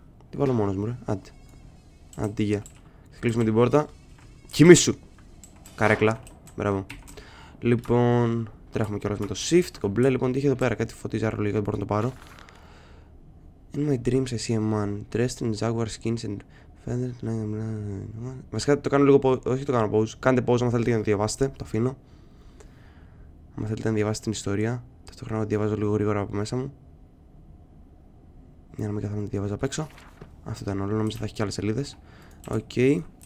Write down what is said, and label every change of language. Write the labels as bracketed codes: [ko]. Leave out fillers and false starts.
[el] Τι βάλω μόνος μου, ρε. Άντε, για. Θα κλείσουμε την πόρτα. Κοιμήσου! Καρέκλα. Μπράβο. Λοιπόν, τρέχουμε κιόλας με το shift. Κομπλέ, λοιπόν, τι είχε εδώ πέρα. Κάτι φωτίζει άρρωλο, γιατί μπορώ να το πάρω. [en] In my dreams, I see a man. Dressed in jaguar skins and feathers. [el] Βασικά, το κάνω λίγο. Όχι, το κάνω pause. Κάντε pause, αν θέλετε να διαβάσετε. Το αφήνω. Αν θέλετε να διαβάσετε την ιστορία. Ταυτόχρονα, διαβάζω λίγο γρήγορα από μέσα μου. Για να μην καθόμουν να διαβάζω απ' έξω. Αυτό ήταν όλο. Νομίζω θα έχει κι άλλες σελίδες. Οκ. Και.